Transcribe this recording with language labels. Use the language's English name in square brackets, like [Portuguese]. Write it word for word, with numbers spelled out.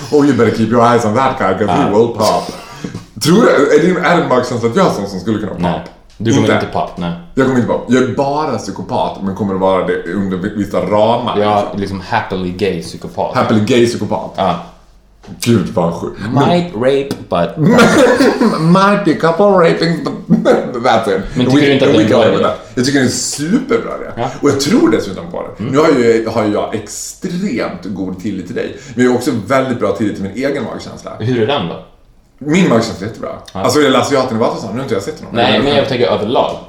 [English] Oh, you better keep your eyes on that guy, because he will pop. [Swedish] Tror du, är det en ärmarkkänsla att jag är sån som skulle kunna pop? Nej. Du kommer inte, inte papp, nej. Jag kommer inte papp. Jag är bara psykopat, men kommer att vara det under vissa ramar. Ja, liksom [English] happily gay [Swedish] psykopat. [English] Happily gay psykopat. [Swedish] Ja. Gud, vad sjukt. [English] Might rape, but... Might be couple raping, but that's it. [Swedish] Men tycker du inte att det är bra idé? Jag tycker det är en superbra idé. Ja. Och jag tror dessutom på det. Mm. Nu har jag, har jag extremt god tillit till dig. Men jag har också väldigt bra tillit till min egen magkänsla. Hur är den då? Min magkänsla är jättebra. Ja. Alltså jag läser ju att den var så, nu har inte jag sett någon. Nej, men jag tänker överlag.